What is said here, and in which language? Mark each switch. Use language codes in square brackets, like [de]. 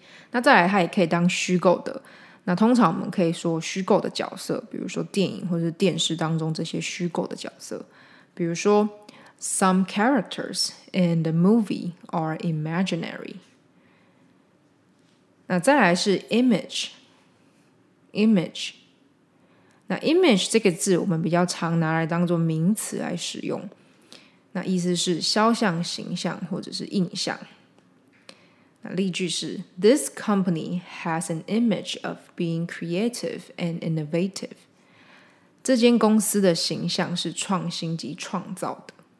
[zh] 那再来它也可以当虚构的，那通常我们可以说虚构的角色，比如说电影或是电视当中这些虚构的角色，比如说 [en] Some characters in the movie are imaginary. [zh] 那再来是 image. 那 image 这个字我们比较常拿来当做名词来使用，那意思是肖像、形象或者是印象。那例句是 [en] This company has an image of being creative and innovative. [zh] 这间公司的形象是创新及创造的。